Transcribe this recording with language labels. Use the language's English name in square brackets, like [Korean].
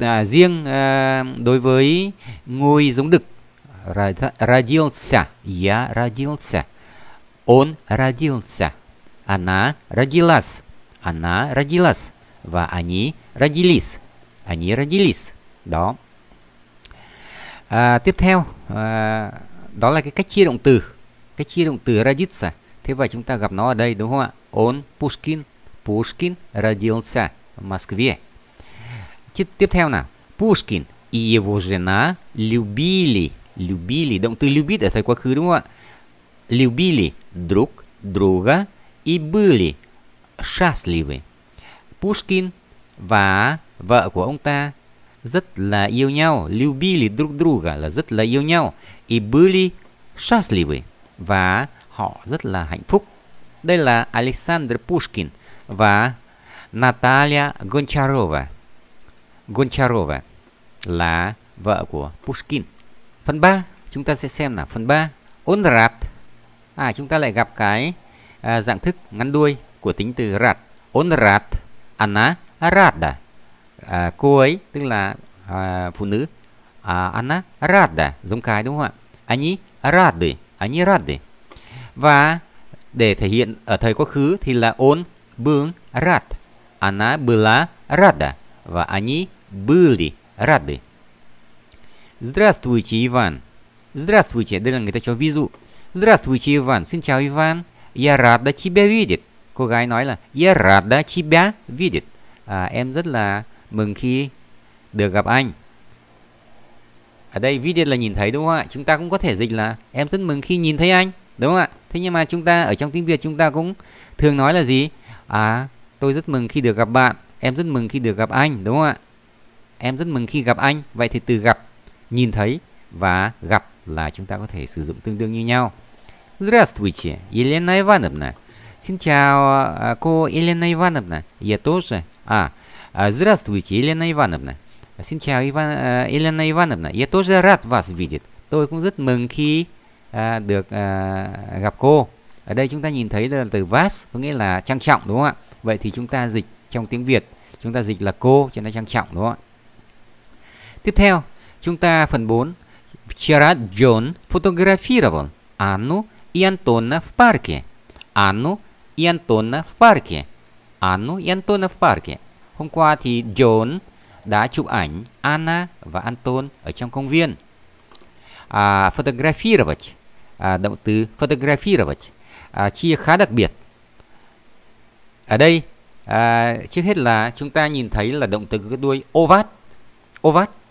[Vietnamese] Riêng đối với ngôi giống đực [Russian] родился, я родился. Он родился, она родилась. Она родилась. Và они родились. Они родились. Đó. [Vietnamese] Tiếp theo đó là cái cách chia động từ. Cách chia động từ родиться. Thế và chúng ta gặp nó ở đây, đúng không ạ? [Russian] Он Пушкин родился в Москве. [Vietnamese] Tiếp theo nào. [Russian] Пушкин и его жена любили. [Vietnamese] Động từ любить ở thời quá khứ, đúng không ạ? [Russian] Любили друг друга и были счастливы. [Vietnamese] Пушкин và vợ của ông ta rất là yêu nhau. [Russian] Любили друг друга [Vietnamese] là rất là yêu nhau. [Russian] И были счастливы. [Vietnamese] Và họ rất là hạnh phúc. Đây là Александр Пушкин và Наталья Гончарова. Гончарова là vợ của Пушкин. Phần 3, chúng ta sẽ xem nào. Phần 3. [Russian] Он рад. [Vietnamese] À, chúng ta lại gặp cái dạng thức ngắn đuôi của tính từ рад. [Russian] Он рад. Она рада. [Vietnamese] Cô ấy, tức là phụ nữ. [Russian] Она рада. [Vietnamese] Giống cái, đúng không ạ? [Russian] Они рады. Они рады. [Vietnamese] Và để thể hiện ở thời quá khứ thì là [Russian] он был рад. Она была рада. Và они были рады. Здравствуйте, Иван. [Vietnamese] Здравствуйте. Đây là người ta cho ví dụ. [Russian] Здравствуйте, Иван. [Vietnamese] Xin chào, Иван. [Russian] Я рада тебя видеть. [Vietnamese] Cô gái nói là [Russian] Я рада тебя видеть. [Vietnamese] À, em rất là mừng khi được gặp anh. Ở đây видеть là nhìn thấy, đúng không ạ? Chúng ta cũng có thể dịch là em rất mừng khi nhìn thấy anh, đúng không ạ? Thế nhưng mà chúng ta ở trong tiếng Việt chúng ta cũng thường nói là gì? À, tôi rất mừng khi được gặp bạn, em rất mừng khi được gặp anh, đúng không ạ? Em rất mừng khi gặp anh. Vậy thì từ gặp, nhìn thấy và gặp là chúng ta có thể sử dụng tương đương như nhau. [Russian] Здравствуйте, Елена Ивановна. [Vietnamese] Xin chào cô Елена Ивановна. [Russian] Я тоже. А, здравствуйте, Елена Ивановна. [Vietnamese] Xin chào [Russian] Elena Ivanovna, я тоже рад вас видеть. [Vietnamese] Tôi cũng rất mừng khi được gặp cô. Ở đây chúng ta nhìn thấy là từ vas có nghĩa là trang trọng đúng không ạ? Vậy thì chúng ta dịch trong tiếng Việt, chúng ta dịch là cô cho nó trang trọng đúng không ạ? Tiếp theo, chúng ta phần 4. [Russian] Вчера Джон фотографировал Анну и Антона в парке. Анну и Антона в парке. Анну и Антона в парке. [Vietnamese] Hôm qua thì John đã chụp ảnh Anna và Anton ở trong công viên. Фотографировать. Động từ фотографировать. Chia khá đặc biệt. Ở đây, trước hết là chúng ta nhìn thấy là động từ cái đuôi ovat. Ovat.